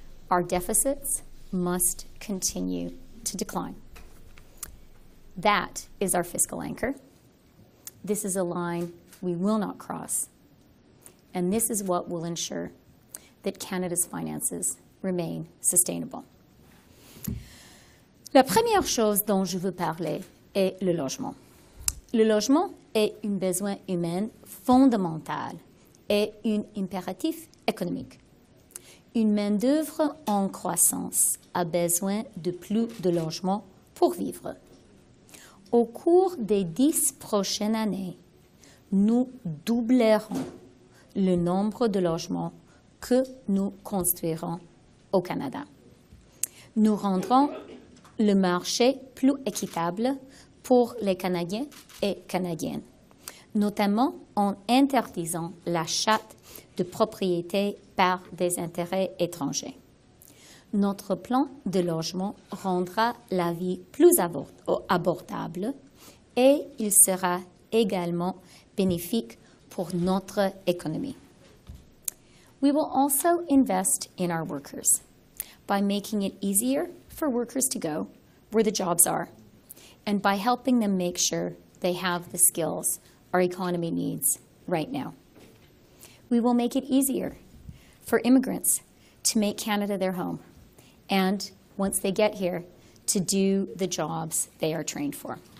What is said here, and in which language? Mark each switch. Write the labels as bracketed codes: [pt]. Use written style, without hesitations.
[en] Our deficits must continue to decline. That is our fiscal anchor. This is a line we will not cross. And this is what will ensure that Canada's finances remain sustainable. [fr] La première chose dont je veux parler est le logement. Le logement est un besoin humain fondamental et un impératif économique. Une main-d'œuvre en croissance a besoin de plus de logements pour vivre. Au cours des 10 prochaines années, nous doublerons le nombre de logements que nous construirons au Canada. Nous rendrons le marché plus équitable pour les Canadiens et Canadiennes, notamment en interdisant l'achat de propriétés par des intérêts étrangers. Notre plan de logement rendra la vie plus abordable et il sera également bénéfique pour notre économie. [en] We will also invest in our workers by making it easier for workers to go where the jobs are and by helping them make sure they have the skills our economy needs right now. We will make it easier for immigrants to make Canada their home and, once they get here, to do the jobs they are trained for.